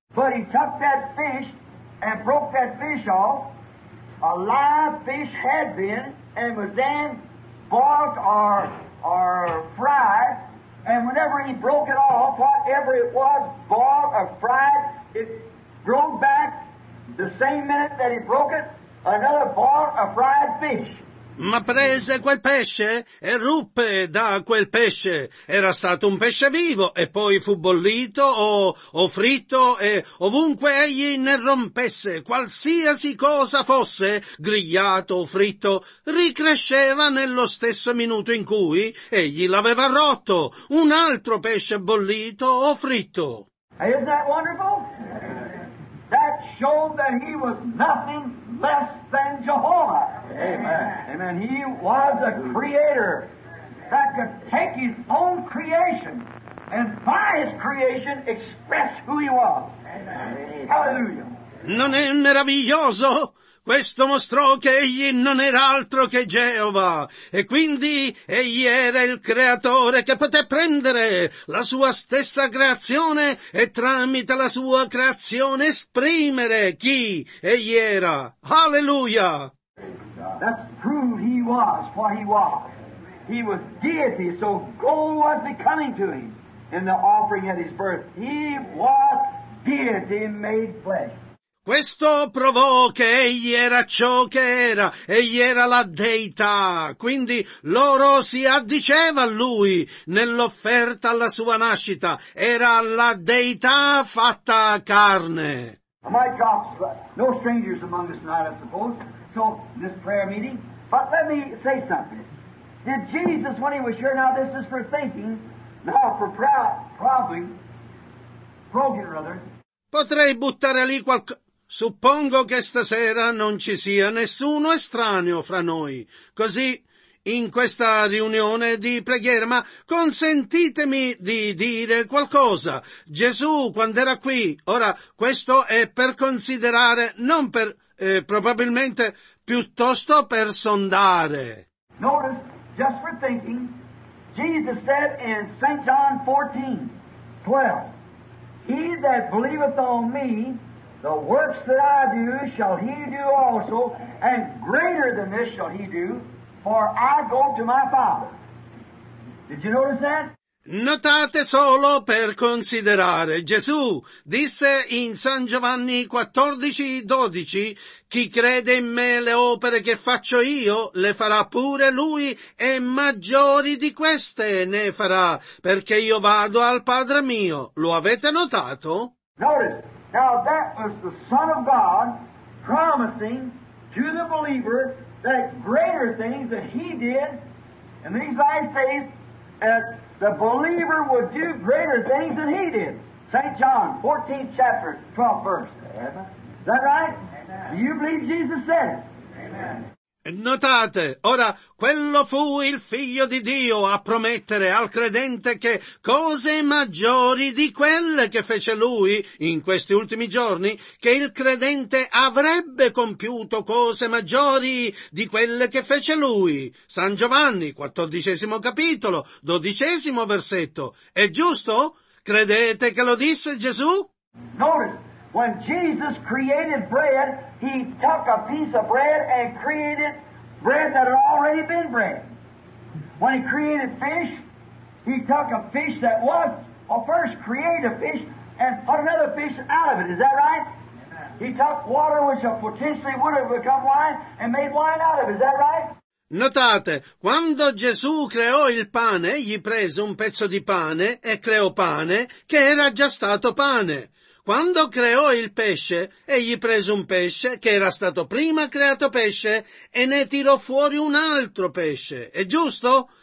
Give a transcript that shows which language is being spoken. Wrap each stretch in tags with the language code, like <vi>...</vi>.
<en>But he took that fish and broke that fish off. A live fish had been and was then boiled or fried. And whenever he broke it off, whatever it was, boiled or fried, it grown back the same minute that he broke it, another ball of fried fish.</en> <it>Ma prese quel pesce e ruppe da quel pesce. Era stato un pesce vivo e poi fu bollito o fritto e ovunque egli ne rompesse, qualsiasi cosa fosse, grigliato o fritto, ricresceva nello stesso minuto in cui egli l'aveva rotto, un altro pesce bollito o fritto.</it> <en>Isn't that wonderful? That showed that he was nothing less than Jehovah. Amen. Amen. He was a creator that could take his own creation and by his creation express who he was. Amen. Hallelujah.</en> <it>Non è meraviglioso? Questo mostrò che egli non era altro che Geova, e quindi egli era il creatore che poté prendere la sua stessa creazione e tramite la sua creazione esprimere chi egli era. Alleluia!</it> <en>That's proved he was what he was. He was deity, so gold was becoming to him in the offering at his birth. He was deity made flesh.</en> <it>Questo provò che egli era ciò che era, egli era la Deità, quindi loro si addiceva a lui nell'offerta alla sua nascita, era la Deità fatta carne.</it> <en>My gospel, no strangers among us tonight, I suppose, so this prayer meeting, but let me say something. Did Jesus, when he was here, now this is for thinking, now for probing rather.</en> <it>Potrei buttare lì qualcosa. Suppongo che stasera non ci sia nessuno estraneo fra noi, così in questa riunione di preghiera, ma consentitemi di dire qualcosa. Gesù, quando era qui, ora questo è per considerare, non per, probabilmente, piuttosto per sondare.</it> <en>Notice, just for thinking, Jesus said in St. John 14:12, he that believeth on me, the works that I do shall he do also, and greater than this shall he do, for I go to my Father. Did you notice that?</en> <it>Notate solo per considerare, Gesù disse in San Giovanni 14:12, chi crede in me le opere che faccio io le farà pure lui e maggiori di queste ne farà, perché io vado al Padre mio. Lo avete notato?</it> <en>Notice. Now that was the Son of God promising to the believer that greater things that he did in these last days that the believer would do greater things than he did. St. John, 14th chapter, 12th verse. Is that right? Do you believe Jesus said it?</en> <it>Notate, ora, quello fu il Figlio di Dio a promettere al credente che cose maggiori di quelle che fece lui in questi ultimi giorni, che il credente avrebbe compiuto cose maggiori di quelle che fece lui. San Giovanni, 14 capitolo, 12 versetto. È giusto? Credete che lo disse Gesù?</it> <en>Notice, when Jesus created bread, he took a piece of bread and created bread that had already been bread. When he created fish, he took a fish that was, or first created a fish and put another fish out of it. Is that right? He took water which potentially would have become wine and made wine out of it. Is that right?</en> <it>Notate, quando Gesù creò il pane, egli prese un pezzo di pane e creò pane che era già stato pane. Quando creò il pesce, egli prese un pesce che era stato prima creato pesce e ne tirò fuori un altro pesce. È giusto?</it>